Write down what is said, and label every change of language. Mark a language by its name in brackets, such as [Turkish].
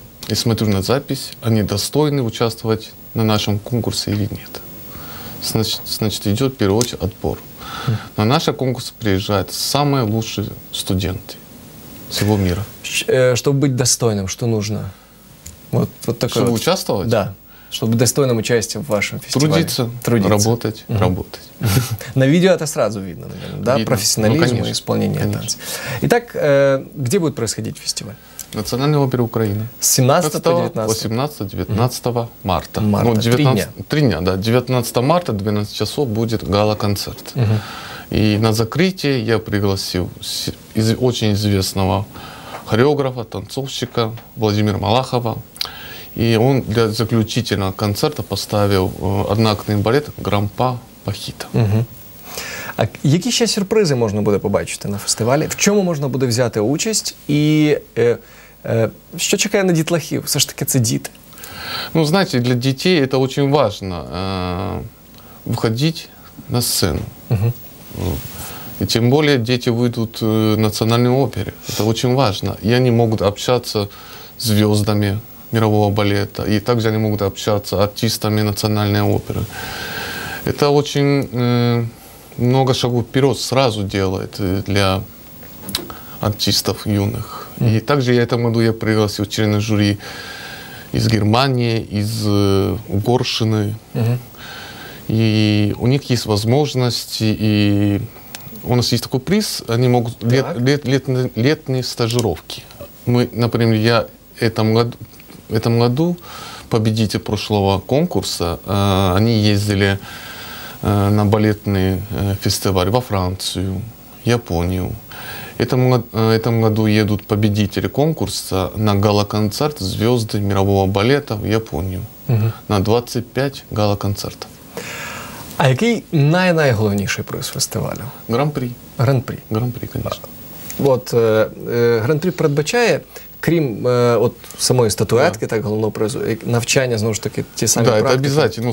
[Ukrainian] І смотрю на запись, вони достойні участвувати на нашому конкурсі чи ні. Значить, йде в першу чергу відбір. На наш конкурс приїжджають найкращі студенти всього світу. Щоб бути достойним, що потрібно? [Russian] Вот такое. Чтобы участвовать? Да. Чтобы достойным участием в вашем фестивале. Трудиться. Работать. Угу. Работать. На видео это сразу видно, наверное. Да? Видно. Профессионализм, ну, и исполнение танцев. Итак, где будет происходить фестиваль? Национальная опера Украины. 18-19 марта. Марта. Ну, 3 дня. Да. 19 марта, 12 часов, будет гала-концерт. Угу. И на закрытие я пригласил очень известного хореографа, танцовщика Владимира Малахова. И он для заключительного концерта поставил одноактный балет «Грампа Пахита». Угу. [Ukrainian] А які ще сюрпризи можна буде побачити на фестивалі? В чому можна буде взяти участь? І що чекає на дітлахів? Все ж таки це діти. Ну, знаєте, для дітей це дуже важливо виходити на сцену. Угу. [Russian] И тем более дети выйдут в национальную оперу. Это очень важно. И они могут общаться с звездами мирового балета. И также они могут общаться с артистами национальной оперы. Это очень много шагов вперед сразу делает для артистов юных. И также я в этом году пригласил члены жюри из Германии, из Угорщины. И у них есть возможности и... У нас есть такой приз, они могут летние стажировки. Мы, например, я в этом году победитель прошлого конкурса, они ездили на балетный фестиваль во Францию, Японию. В этом году едут победители конкурса на гала-концерт «Звезды мирового балета» в Японию. Угу. На 25 гала-концертов. [Ukrainian] А який найголовніший приз фестивалю? Гран-прі. Гран-прі. Гран-прі, звісно. От, гран-прі передбачає, крім от самої статуетки, так, головного призу, навчання, знову ж таки, ті самі практики? Так, це обов'язково.